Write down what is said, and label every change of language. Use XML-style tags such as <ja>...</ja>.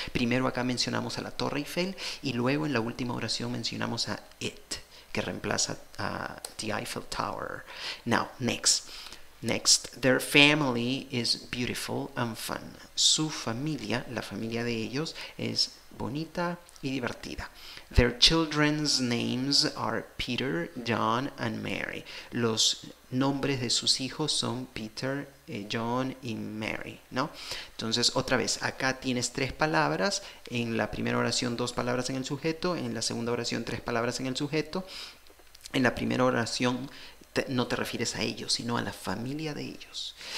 <es>Primero acá mencionamos a la Torre Eiffel y luego en la última oración mencionamos a it, que reemplaza a the Eiffel Tower.</es> <en>Now, next. Next, their family is beautiful and fun.</en> <es>Su familia, la familia de ellos, es bonita y divertida.</es> <en>Their children's names are Peter, John and Mary.</en> <es>Los nombres de sus hijos son Peter, John y Mary, ¿no? Entonces, otra vez, acá tienes tres palabras. En la primera oración, dos palabras en el sujeto. En la segunda oración, tres palabras en el sujeto. En la primera oración, no te refieres a ellos, sino a la familia de ellos.</es>